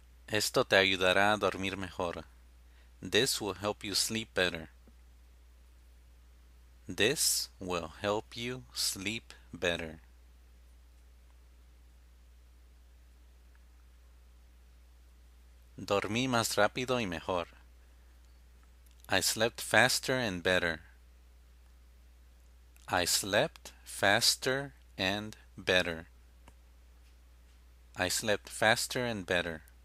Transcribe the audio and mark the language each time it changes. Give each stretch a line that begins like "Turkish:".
Spanish: Esto te ayudará a dormir mejor.
English: This will help you sleep better. This will help you sleep better.
Spanish: Dormí más rápido y mejor.
English: I slept faster and better. I slept faster and better. I slept faster and better.